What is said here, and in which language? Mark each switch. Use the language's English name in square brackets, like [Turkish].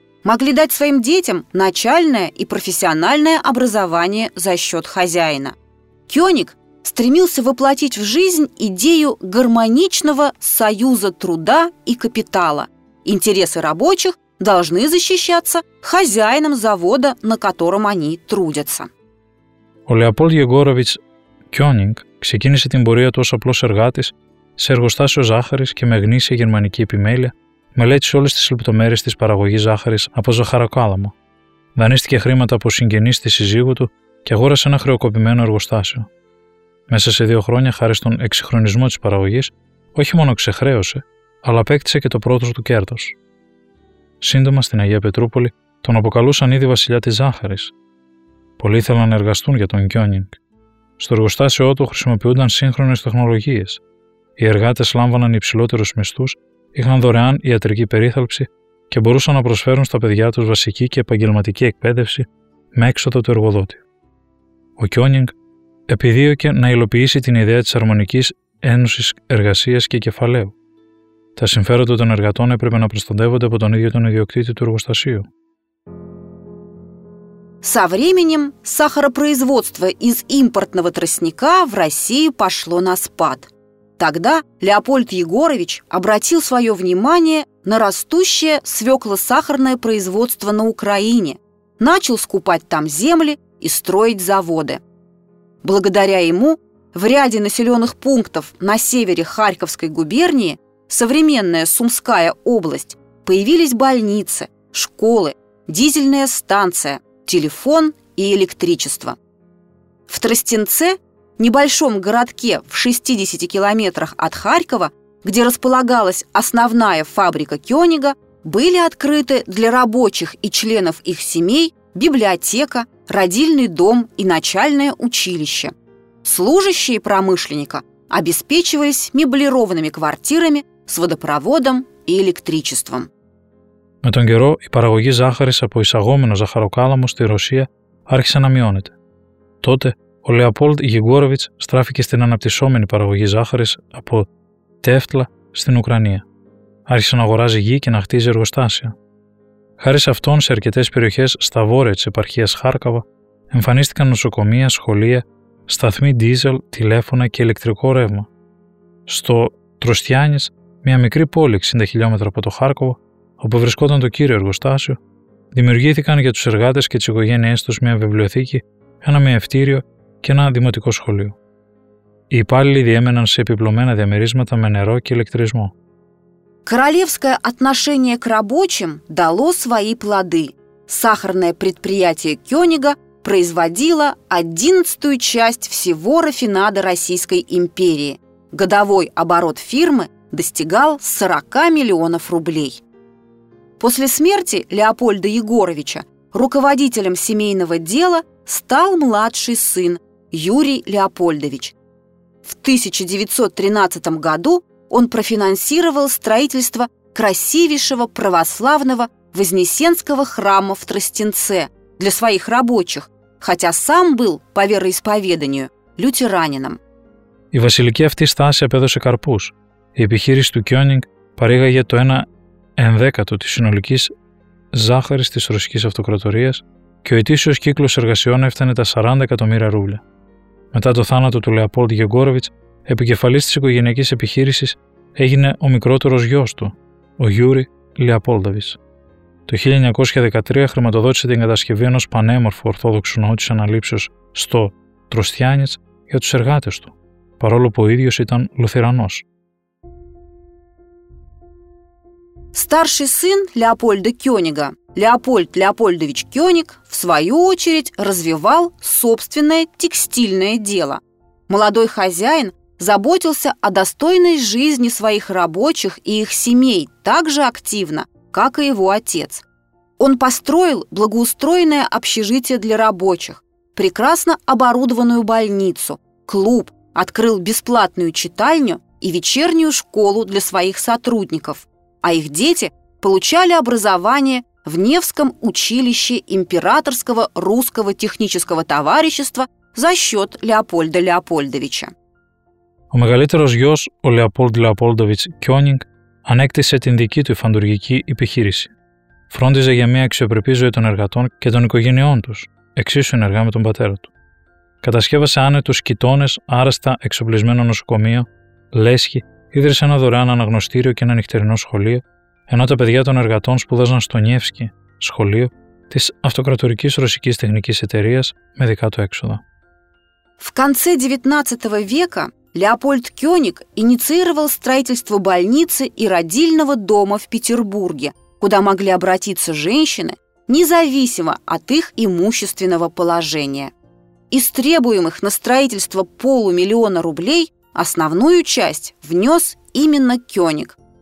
[Russian] Могли дать своим детям начальное и профессиональное образование за счет хозяина. Кёниг стремился воплотить в жизнь идею гармоничного союза труда и капитала. Интересы рабочих должны защищаться хозяином завода, на котором они трудятся. [Greek] Ο Λεοπόλντ Γεγόροβιτς Κιόνινγκ ξεκίνησε την πορεία του ως απλός εργάτης σε εργοστάσιο ζάχαρης και με γνήσια γερμανική επιμέλεια μελέτησε όλες τις λεπτομέρειες της παραγωγής ζάχαρης από ζαχαροκάλαμο. Δανείστηκε χρήματα από συγγενείς της συζύγου του και αγόρασε ένα χρεοκοπημένο εργοστάσιο. Μέσα σε δύο χρόνια, χάρη στον εξυγχρονισμό της παραγωγής, όχι μόνο ξεχρέωσε, αλλά απέκτησε και το πρώτο του κέρδος. Σύντομα, στην Αγία Πετρούπολη, τον αποκαλούσαν ήδη βασιλιά της ζάχαρης. Πολλοί ήθελαν να εργαστούν για τον Κιόνινγκ. Στο εργοστάσιο του χρησιμοποιούνταν σύγχρονες τεχνολογίες. Οι εργάτες λάμβαναν υψηλότερους μισθούς, είχαν δωρεάν ιατρική περίθαλψη και μπορούσαν να προσφέρουν στα παιδιά τους βασική και επαγγελματική εκπαίδευση με έξοδο του εργοδότη. Ο Κιόνινγκ επιδίωκε να υλοποιήσει την ιδέα της αρμονικής ένωσης εργασίας και κεφαλαίου. Τα συμφέροντα των εργατών έπρεπε να προστατεύονται από τον ίδιο τον ιδιοκτήτη του εργοστασίου. [Russian] Со временем сахаропроизводство из импортного тростника в Россию пошло на спад. Тогда Леопольд Егорович обратил свое внимание на растущее свеклосахарное производство на Украине, начал скупать там земли и строить заводы. Благодаря ему в ряде населенных пунктов на севере Харьковской губернии, современная Сумская область, появились больницы, школы, дизельная станция, телефон и электричество. В Тростенце, небольшом городке в 60 километрах от Харькова, где располагалась основная фабрика Кёнига, были открыты для рабочих и членов их семей библиотека, родильный дом и начальное училище. Служащие промышленника обеспечивались меблированными квартирами с водопроводом и электричеством. [Greek] Με τον καιρό, η παραγωγή ζάχαρης από εισαγόμενο ζαχαροκάλαμο στη Ρωσία άρχισε να μειώνεται. Τότε, ο Λεοπόλντ Γιγκόροβιτς στράφηκε στην αναπτυσσόμενη παραγωγή ζάχαρης από Τέφτλα στην Ουκρανία. Άρχισε να αγοράζει γη και να χτίζει εργοστάσια. Χάρη σε αυτόν, σε αρκετές περιοχές στα βόρεια της επαρχίας Χάρκαβα, εμφανίστηκαν νοσοκομεία, σχολεία, σταθμοί ντίζελ, τηλέφωνα και ηλεκτρικό ρεύμα. Στο Τροστιάνης, μια μικρή πόλη 60 χιλιόμετρα από το Χάρκοβο, όπου βρισκόταν το κύριο εργοστάσιο, δημιουργήθηκαν για τους εργάτες και τις οικογένειές τους μια βιβλιοθήκη, ένα μαιευτήριο και ένα δημοτικό σχολείο. Οι υπάλληλοι διέμεναν σε επιπλωμένα διαμερίσματα με νερό και ηλεκτρισμό. [Russian] Королевское отношение к рабочим дало свои плоды. Сахарное предприятие Кёнига производило 11-ю часть всего рафинада Российской империи. Годовой оборот фирмы достигал 40 миллионов рублей. После смерти Леопольда Егоровича руководителем семейного дела стал младший сын Юрий Леопольдович. В 1913 году он профинансировал строительство красивейшего православного Вознесенского храма в Тростенце для своих рабочих, хотя сам был, по вероисповеданию, лютеранином. [Greek] Η βασιλική αυτή στάση απέδωσε καρπούς. Η επιχείρηση του Κιόνινγκ παρήγαγε το 1/10 της συνολικής ζάχαρης της Ρωσικής Αυτοκρατορίας και ο ετήσιος κύκλος εργασιών έφτανε τα 40 εκατομμύρια ρούβλια. Μετά το θάνατο του Λεοπόλντ Γιγκόροβιτς, επικεφαλής της οικογενειακής επιχείρησης έγινε ο μικρότερος γιος του, ο Γιούρι Λεοπόλντοβιτς. Το 1913 χρηματοδότησε την κατασκευή ενός πανέμορφου ορθόδοξου ναού της αναλήψεως στο Τροστιάνης για τους εργάτες του, παρόλο που ο ίδιος ήταν λουθερανός. [Russian] Старший сын Леопольда Кёнига, Леопольд Леопольдович Кёниг, в свою очередь развивал собственное текстильное дело. Молодой хозяин заботился о достойной жизни своих рабочих и их семей так же активно, как и его отец. Он построил благоустроенное общежитие для рабочих, прекрасно оборудованную больницу, клуб, открыл бесплатную читальню и вечернюю школу для своих сотрудников. А их дети получали образование в Невском училище Императорского русского технического товарищества за счет Леопольда Леопольдовича. [Greek] Ο μεγαλύτερος γιος, ο Λεοπόλντ Λεοπόλντοβιτς Κιόνινγκ, ανέκτησε την δική του υφαντουργική επιχείρηση. Φρόντιζε για μια αξιοπρεπή ζωή των εργατών και των οικογενειών τους, εξίσου ενεργά με τον πατέρα του. Κατασκεύασε άνετους κοιτώνες, άραστα εξοπλισμένο νοσοκομείο, λέσχη, ίδρυσε ένα δωρεάν αναγνωστήριο και ένα νυχτερινό σχολείο, ενώ τα παιδιά των εργατών σπούδαζαν στο Νιεύσκι, σχολείο της Αυτοκρατορικής Ρωσικής Τεχνικής Εταιρείας με δικά του έξοδα. [Russian] В конце 19 века Леопольд Кёниг инициировал строительство больницы и родильного дома в Петербурге, куда могли обратиться женщины, независимо от их имущественного положения. Из требуемых на строительство полумиллиона рублей основную часть внес именно Кёниг.